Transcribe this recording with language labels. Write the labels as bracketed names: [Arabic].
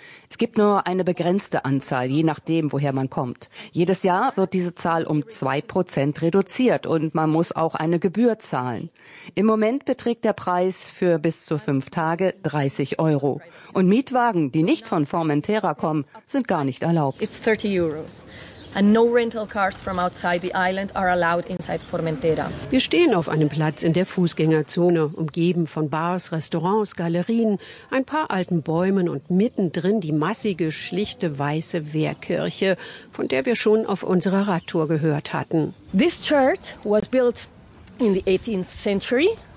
[German] Es gibt nur eine begrenzte Anzahl, je nachdem, woher man kommt. Jedes Jahr wird diese Zahl um 2% reduziert und man muss auch eine Gebühr zahlen. Im Moment beträgt der Preis für bis zu 5 Tage 30 Euro. Und Mietwagen, die nicht von Formentera kommen, sind gar nicht erlaubt. [English] It's 30 Euro. And no rental cars from outside the island are allowed inside Formentera. [German] Wir stehen auf einem Platz in der Fußgängerzone, umgeben von Bars, Restaurants, Galerien, ein paar alten Bäumen und mittendrin die massige, schlichte, weiße Wehrkirche, von der wir schon auf unserer Radtour gehört hatten. [English] This church was built in the 18th century.